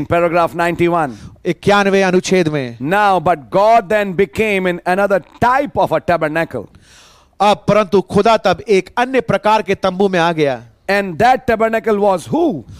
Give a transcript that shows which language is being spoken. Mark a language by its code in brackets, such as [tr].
[en] In paragraph 91. [hi] 91 अनुच्छेद में. [en] Now but God then became in another type of a tabernacle. [hi] अब परंतु खुदा तब एक अन्य प्रकार के तंबू में आ गया. [en] And that tabernacle was who?